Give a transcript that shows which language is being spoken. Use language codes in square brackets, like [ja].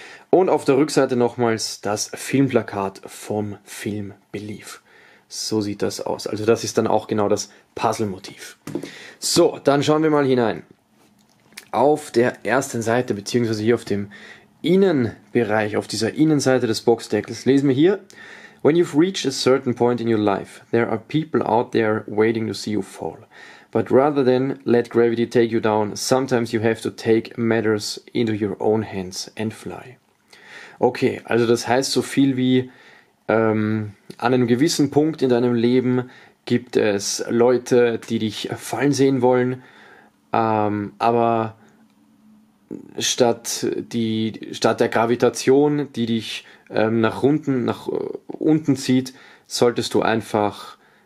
[de] Und auf der Rückseite nochmals das Filmplakat vom Film Belief. So sieht das aus. Also das ist dann auch genau das Puzzle-Motiv. So, dann schauen wir mal hinein. Auf der ersten Seite, beziehungsweise hier auf dem Innenbereich, auf dieser Innenseite des Boxdeckels, lesen wir hier. [en] When you've reached a certain point in your life, there are people out there waiting to see you fall. But rather than let gravity take you down, sometimes you have to take matters into your own hands and fly. [de] Okay, also das heißt so viel wie, an einem gewissen Punkt in deinem Leben gibt es Leute, die dich fallen sehen wollen, aber statt der Gravitation, die dich nach unten zieht, solltest du einfach